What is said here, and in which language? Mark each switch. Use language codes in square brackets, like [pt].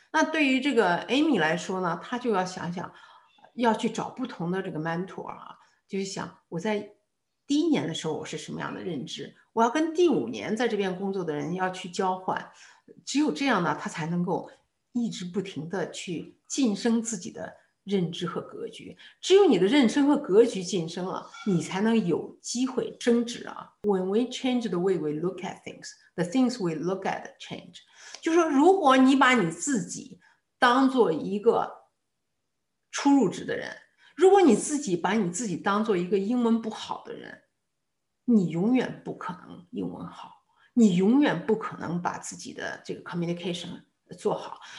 [zh] 那对于这个 Amy 来说呢，她就要想想要去找不同的这个 mentor 啊，就是想我在第一年的时候我是什么样的认知，我要跟第五年在这边工作的人要去交换，只有这样呢她才能够一直不停地去晋升自己的认知和格局。只有你的认知和格局晋升了，你才能有机会升职啊。 [en] When we change the way we look at things, the things we look at change。 [zh] 就是说，如果你把你自己当做一个初入职的人，如果你自己把你自己当做一个英文不好的人，你永远不可能英文好，你永远不可能把自己的这个 communication 做好。